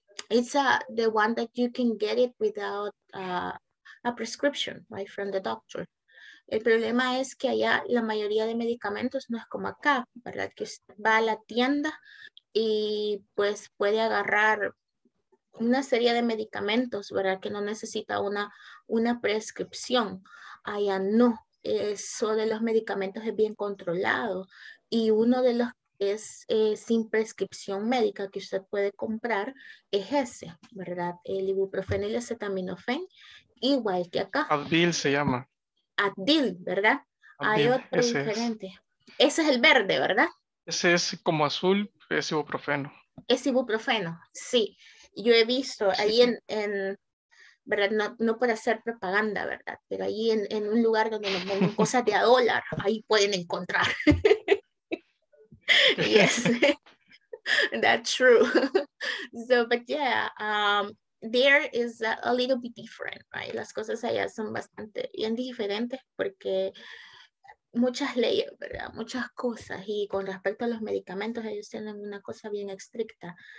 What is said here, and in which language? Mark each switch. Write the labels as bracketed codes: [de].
[en] It's the one that you can get it without a prescription, right, from the doctor. [es] El problema es que allá la mayoría de medicamentos no es como acá, ¿verdad? Que usted va a la tienda y pues puede agarrar una serie de medicamentos, ¿verdad? Que no necesita una prescripción. Allá no, eso de los medicamentos es bien controlado y uno de los que es sin prescripción médica que usted puede comprar es ese, ¿verdad? El ibuprofeno y el acetaminofen, igual que acá. Advil se llama. Advil, ¿verdad? Advil, hay otro ese diferente. Es. Ese es el verde, ¿verdad? Ese es como azul, es ibuprofeno. Es ibuprofeno, sí. Yo he visto sí, ahí en ¿verdad? No para hacer propaganda, ¿verdad? Pero ahí en un lugar donde nos venden cosas de a dólar, ahí pueden encontrar. [en] Yes, that's true. So, but yeah, there is a little bit different, right? [es] Las cosas allá son bastante bien diferentes porque muchas leyes, ¿verdad? Muchas cosas. Y con respecto a los medicamentos, ellos tienen una cosa bien estricta.